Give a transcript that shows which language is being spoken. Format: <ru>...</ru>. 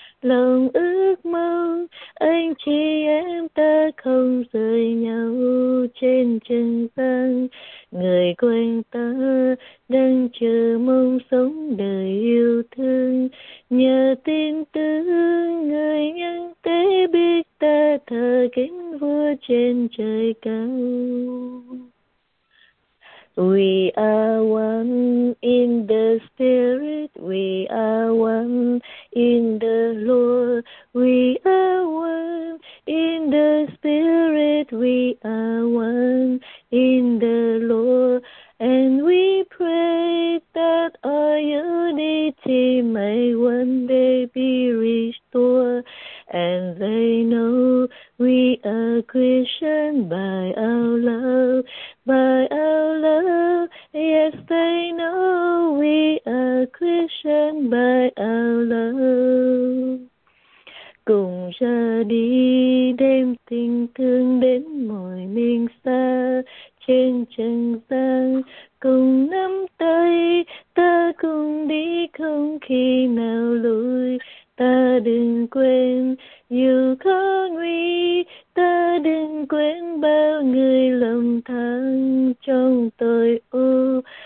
<vi>Lòng ước mơ anh chị em ta không rời nhau trên trần gian. Người quen ta đang chờ mong sống đời yêu thương, nhờ tin tưởng người nhân tế biết ta thờ kính vua trên trời cao.</vi> <en>We are one in the Spirit, we are one in the Lord, we are one in the Spirit, we are one in the Lord, and we pray that our unity may one day be restored, and they know We are Christian by our love, by our love. Yes, they know we are Christian by our love.</en> <vi>Cùng ra đi đem tình thương đến mọi miền xa trên trần gian, cùng nắm tay ta cùng đi không khi nào lùi, ta đừng quên dù có nguy, ta đừng quên bao người lầm than trong tội ô,</vi>